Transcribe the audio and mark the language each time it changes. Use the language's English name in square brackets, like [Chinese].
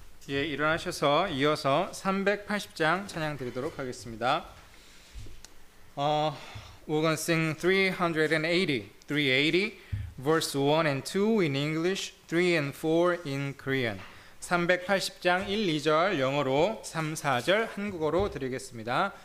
[Korean] 예, 일어나셔서 이어서 380장 찬양 드리도록 하겠습니다. [English] We're going to sing 380, verse 1 and 2 in English, 3 and 4 in Korean. [Korean] 380장 1, 2절 영어로, 3, 4절 한국어로 드리겠습니다.